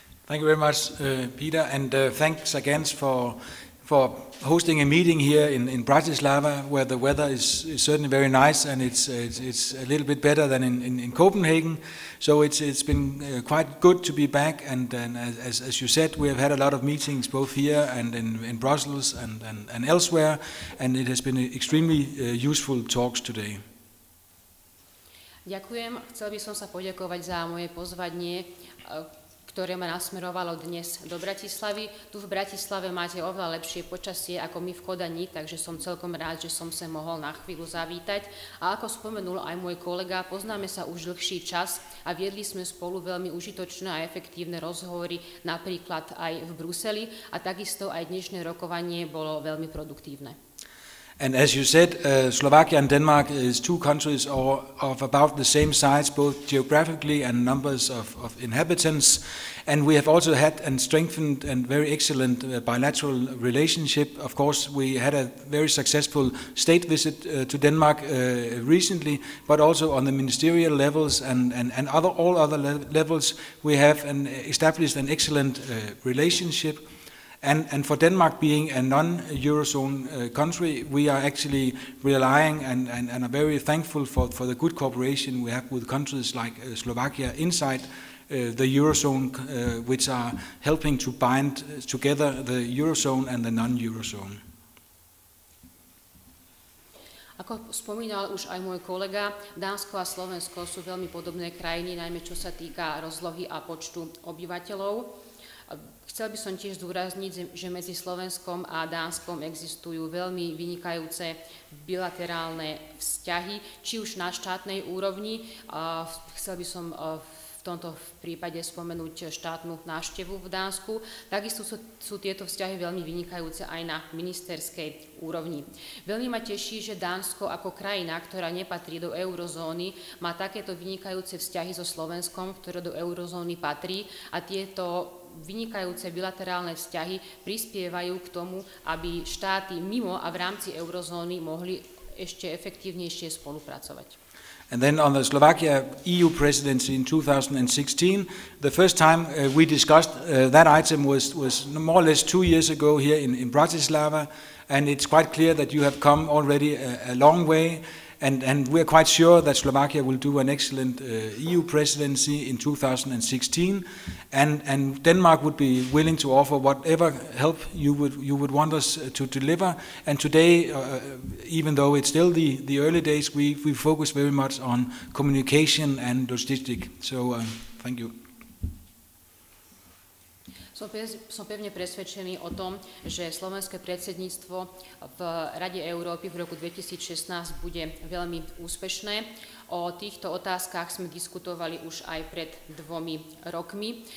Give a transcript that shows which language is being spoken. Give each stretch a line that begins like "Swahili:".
English: Thank you very much, Peter, and thanks again for hosting a meeting here in Bratislava, where the weather is certainly very nice, and it's a little bit better than in Copenhagen. So it's been quite good to be back, and as you said, we have had a lot of meetings both here and in Brussels and elsewhere, and it has been extremely useful talks today.
Slovak: Ďakujem. Chcel by som sa poďakovať za moje pozvanie, ktoré ma nasmerovalo dnes do Bratislavy. Tu v Bratislave máte oveľa lepšie počasie ako my v Kodani, takže som celkom rád, že som sa mohol na chvíľu zavítať. A ako spomenul aj môj kolega, poznáme sa už dlhší čas a viedli sme spolu veľmi užitočné a efektívne rozhovory, napríklad aj v Bruseli, a takisto aj dnešné rokovanie bolo veľmi produktívne.
English: And as you said, Slovakia and Denmark is two countries of about the same size, both geographically and numbers of inhabitants. And we have also had a strengthened and very excellent bilateral relationship. Of course, we had a very successful state visit to Denmark recently, but also on the ministerial levels and all other levels, we have established an excellent relationship. And for Denmark being a non-Eurozone country, we are actually relying and are very thankful for the good cooperation we have with countries like Slovakia inside the Eurozone, which are helping to bind together the Eurozone and the non-Eurozone.
Slovak: Ako spomínal už aj môj kolega, Dánsko a Slovensko sú veľmi podobné krajiny, najmä čo sa týka rozlohy a počtu obyvateľov. Chcel by som tiež zdôrazniť, že medzi Slovenskom a Dánskom existujú veľmi vynikajúce bilaterálne vzťahy, či už na štátnej úrovni. Chcel by som v tomto prípade spomenúť štátnu návštevu v Dánsku. Takisto sú tieto vzťahy veľmi vynikajúce aj na ministerskej úrovni. Veľmi ma teší, že Dánsko ako krajina, ktorá nepatrí do eurozóny, má takéto vynikajúce vzťahy so Slovenskom, ktoré do eurozóny patrí, a tieto vynikajúce bilaterálne vzťahy prispievajú k tomu, aby štáty mimo a v rámci eurozóny mohli ešte efektívnejšie spolupracovať.
English: And then on the Slovakia EU presidency in 2016, the first time we discussed that item was more or less 2 years ago here in Bratislava, and it's quite clear that you have come already a long way. And we are quite sure that Slovakia will do an excellent EU presidency in 2016, and Denmark would be willing to offer whatever help you would want us to deliver. And today, even though it's still the early days, we focus very much on communication and logistics. So thank you.
Slovak: Som pevne presvedčený o tom, že slovenské predsedníctvo v Rade Európy v roku 2016 bude veľmi úspešné. O týchto otázkach sme diskutovali už aj pred 2 rokmi.